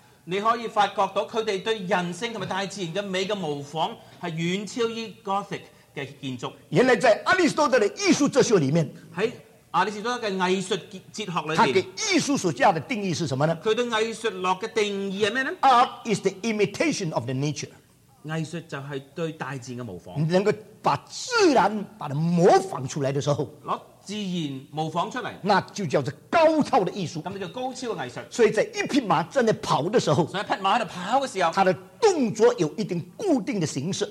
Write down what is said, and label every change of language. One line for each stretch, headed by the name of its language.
Chinese: 你可以发觉到他们对人性和大自然的美的模仿是远超于 Gothic 的建筑，原来在阿里斯多德的艺术哲学里面，在亚里士多德的艺术哲学里面，他的艺术所加的定义是什么呢？他对艺术落的定义是什么呢？
English: Art is the imitation of the nature，
Chinese: 艺术就是对大自然的模仿，能够把自然把它模仿出来的时候，拿自然模仿出来，那就叫做高超的艺术，那就高超的艺术。所以在一匹马正在跑的时候，所以匹马在跑的时候，它的动作有一定固定的形式，